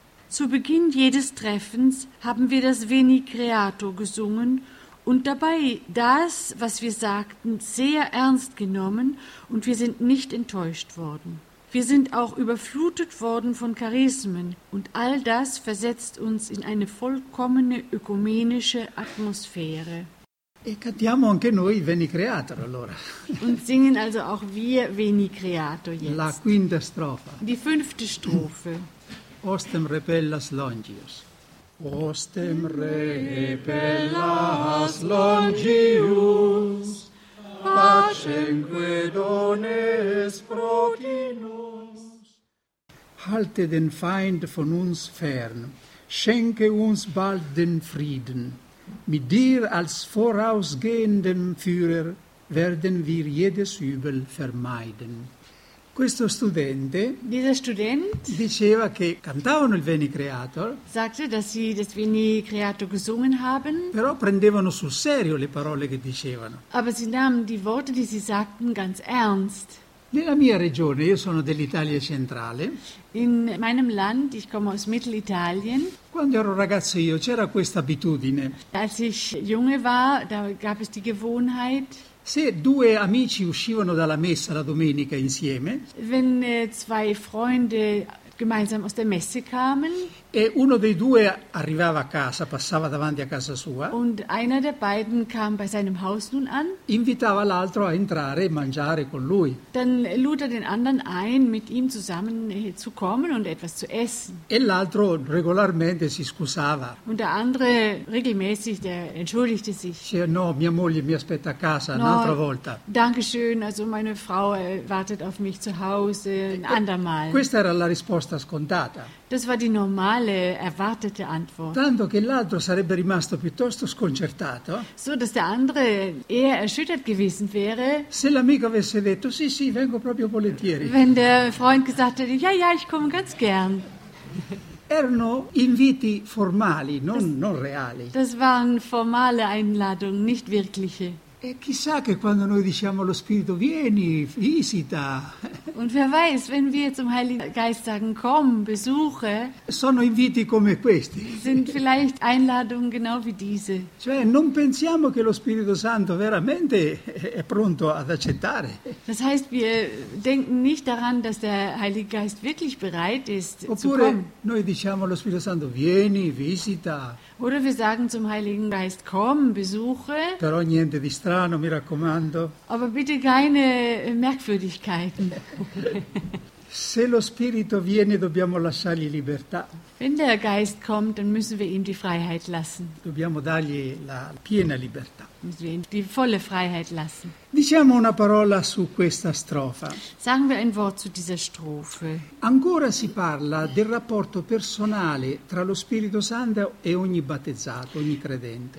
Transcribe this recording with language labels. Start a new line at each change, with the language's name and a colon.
German: Zu Beginn jedes Treffens haben wir das Veni Creator gesungen und dabei das, was wir sagten, sehr ernst genommen, und wir sind nicht enttäuscht worden. Wir sind auch überflutet worden von Charismen, und all das versetzt uns in eine vollkommene ökumenische Atmosphäre.
Italian: E cantiamo anche noi Veni Creator, allora.
German: Und singen also auch wir Veni Creator jetzt.
Italian: La quinta strofa.
German: Die fünfte Strophe.
Latin: Ostem rebellas longius. Ostem rebellas longius. Pacemque dones protinus.
German: Halte den Feind von uns fern, schenke uns bald den Frieden. Mit dir als vorausgehendem Führer werden wir jedes Übel vermeiden.
Italian: Questo studente,
German: dieser Student,
Italian: diceva che cantavano il Veni Creator,
German: sagte, dass sie das Veni Creator gesungen haben,
Italian: però prendevano sul serio le parole che dicevano.
German: Aber sie nahmen die Worte, die sie sagten, ganz ernst.
Italian: Nella mia regione, io sono dell'Italia centrale.
German: In meinem Land, ich komme aus Mittelitalien.
Italian: Quando ero ragazzo io, c'era questa abitudine.
German: Als ich junge war, da gab es die Gewohnheit.
Italian: Se due amici uscivano dalla messa la domenica insieme,
German: wenn zwei Freunde gemeinsam aus der Messe kamen,
Italian: e uno dei due arrivava a casa, passava davanti a casa sua,
German: und einer der beiden kam bei seinem Haus nun an,
Italian: invitava l'altro a entrare e mangiare con lui.
German: Dann lud er den anderen ein, mit ihm zusammen zu kommen und etwas zu essen.
Italian: E l'altro regolarmente si scusava.
German: Und der andere regelmäßig, der entschuldigte sich.
Italian: Cioè, no, mia moglie mi aspetta a casa, no, un'altra volta.
German: Danke schön, also meine Frau wartet auf mich zu Hause, ein andermal.
Italian: Questa era la risposta scontata.
German: Das war die normale, erwartete Antwort.
Italian: Tanto che l'altro sarebbe rimasto piuttosto sconcertato.
German: So, dass der andere eher erschüttert gewesen wäre.
Italian: Se l'amico avesse detto, sì, sì, vengo proprio volentieri.
German: Wenn der Freund gesagt hätte, ja, ja, ich komme ganz gern.
Italian: Erano inviti formali, non reali.
German: Das waren formale Einladungen, nicht wirkliche.
Italian: E chissà che quando noi diciamo allo Spirito vieni, visita.
German: Und wer weiß, wenn wir zum Heiligen Geist sagen, komm, besuche.
Italian: Sono inviti come questi.
German: Sind vielleicht Einladungen genau wie diese.
Italian: Cioè, non pensiamo che lo Spirito Santo veramente è pronto ad accettare.
German: Das heißt, wir denken nicht daran, dass der Heilige Geist wirklich bereit ist zu kommen.
Italian: Oppure noi diciamo allo Spirito Santo, vieni, visita.
German: Oder wir sagen zum Heiligen Geist, komm, besuche.
Italian: Però niente di strano, mi raccomando.
German: Aber bitte keine Merkwürdigkeiten.
Italian: Se lo Spirito viene, dobbiamo lasciargli libertà.
German: Wenn der Geist kommt, dann müssen wir ihm die Freiheit lassen.
Italian: Dobbiamo dargli la piena libertà.
German: Müssen wir ihm die volle Freiheit lassen.
Italian: Diciamo una parola su questa strofa.
German: Sagen wir ein Wort zu dieser Strophe.
Italian: Ancora si parla del rapporto personale tra lo Spirito Santo e ogni battezzato, ogni credente.